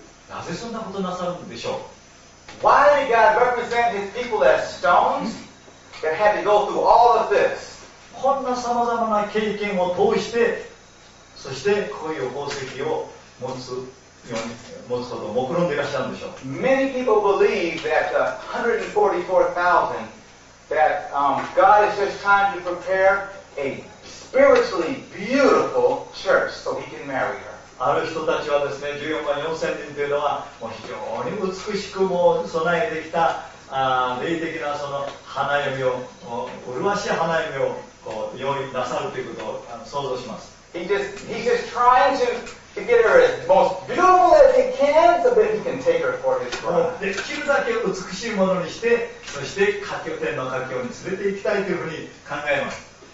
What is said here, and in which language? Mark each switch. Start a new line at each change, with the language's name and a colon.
Japanese: なぜそんなことなさるんでしょう。
English: Why did God represent His people as stones that had to go through all of this?
Japanese: こんなさまざまな経験を通して、そしてこういう宝石を持つように持つことを目論んでいらっしゃるんでしょう。
English: Many people believe that the 144,000 that God is just trying to prepare a spiritually beautiful church so He can marry her.
Japanese: ある人たちはですね、14万4千人というのは、もう非常に美しくも備えてきた、霊的なその花嫁を、麗しい花嫁をこう用意なさるということを想像します。
English: He's just trying to get her as most beautiful as he can so that he can take her for his bride.
Japanese: できるだけ美しいものにして、そして天の家境に連れて行きたいというふうに考えます。